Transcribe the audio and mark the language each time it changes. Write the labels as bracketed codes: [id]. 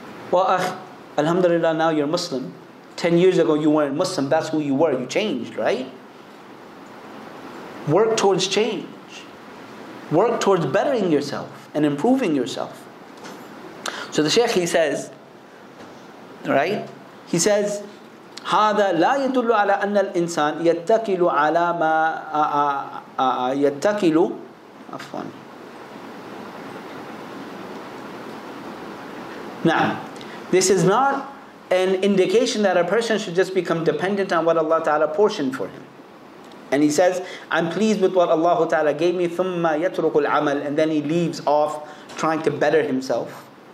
[en] Well, alhamdulillah, now you're Muslim. 10 years ago you weren't Muslim. That's who you were. You changed, right? Work towards change. Work towards bettering yourself and improving yourself. So the Sheikh, he says, right? He says, [ar] هذا لا يدل على أن الإنسان يتكل على ما يتكل عفوا. [en] Now, this is not an indication that a person should just become dependent on what Allah Ta'ala portioned for him. And he says, I'm pleased with what Allah Ta'ala gave me, [ar] ثم يترك العمل, [en] and then he leaves off trying to better himself.